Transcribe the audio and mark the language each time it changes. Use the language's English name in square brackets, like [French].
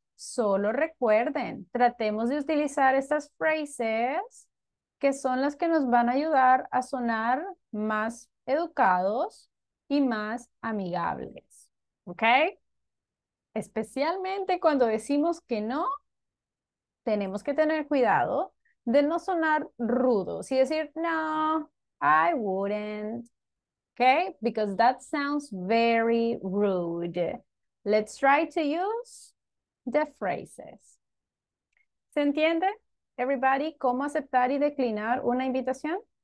[Spanish] Solo recuerden, tratemos de utilizar estas frases que son las que nos van a ayudar a sonar más educados y más amigables, ¿ok? Especialmente cuando decimos que no, tenemos que tener cuidado de no sonar rudos y decir, no, [English] I wouldn't, [Spanish] ¿ok? [English] Because that sounds very rude. Let's try to use the phrases. [Spanish] ¿Se entiende, everybody, cómo aceptar y declinar una invitación?